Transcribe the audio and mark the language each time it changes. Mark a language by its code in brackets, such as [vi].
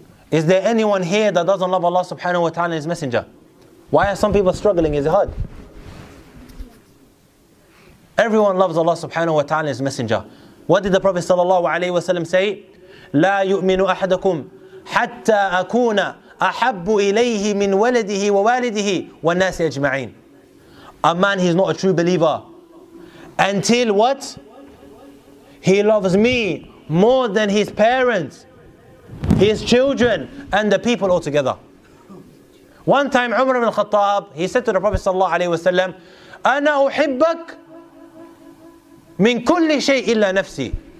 [en] Is there anyone here that doesn't love Allah subhanahu wa ta'ala and His Messenger? Why are some people struggling? Is it hard? Everyone loves Allah subhanahu wa ta'ala and His Messenger. What did the Prophet sallallahu alaihi wasallam say? [ar] لا يؤمن أحدكم حتى أكون أحب إليه من ولده ووالده والناس أجمعين. [en] A man, he's not a true believer. Until what? He loves me more than his parents, his children, and the people altogether. One time, Umar ibn al-Khattab, he said to the Prophet sallallahu alayhi wa sallam, [ar] أَنَا أُحِبَّكْ مِنْ كُلِّ شَيْءٍ إِلَّا نَفْسِي.